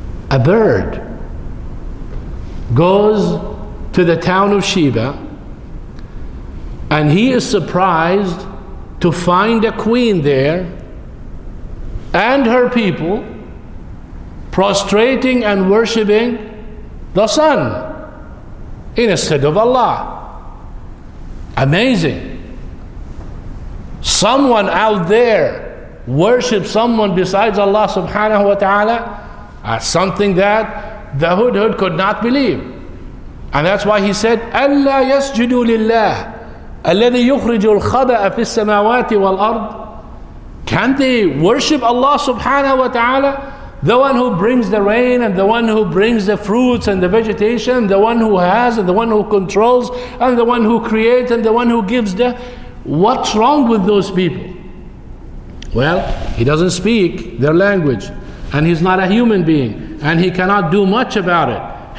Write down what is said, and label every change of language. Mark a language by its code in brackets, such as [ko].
[en] A bird goes to the town of Sheba, and he is surprised to find a queen there and her people prostrating and worshipping the sun instead of Allah. Amazing. someone out there worship someone besides Allah subhanahu wa ta'ala, as something that the Hudhud could not believe. And that's why he said, [ar] أَلَّا يَسْجُدُوا لِلَّهِ الَّذِي يُخْرِجُ الْخَبَأَ فِي السَّمَاوَاتِ وَالْأَرْضِ. [en] Can they worship Allah subhanahu wa ta'ala, the one who brings the rain and the one who brings the fruits and the vegetation, the one who has and the one who controls and the one who creates and the one who gives the... What's wrong with those people? Well, he doesn't speak their language and he's not a human being and he cannot do much about it.